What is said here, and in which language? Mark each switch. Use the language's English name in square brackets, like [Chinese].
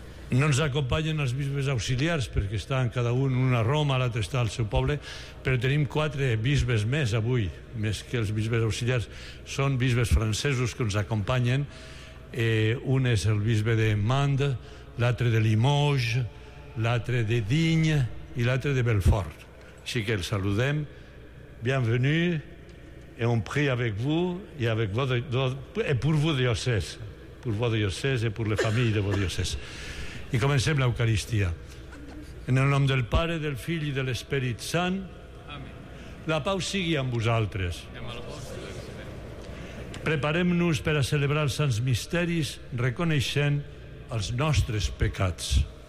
[Catalan] No ens acompanyen els bisbes auxiliars perquè estan cada un a Roma, l'altre està al seu poble, però tenim quatre bisbes més avui, més que els bisbes auxiliars. Són bisbes francesos que ens acompanyen. Un és el bisbe de Mende, l'altre de Limoges, l'altre de Digne i l'altre de Belfort. Així que els saludem. [French] Bienvenue et on prie avec vous et avec votre, et pour vos diocèses. Pour vos diocèses et pour les familles de vos diocèses. [Catalan] I comencem l'Eucaristia. En el nom del Pare, del Fill i de l'Esperit Sant, la pau sigui amb vosaltres. Preparem-nos per a celebrar els sants misteris reconeixent els nostres pecats.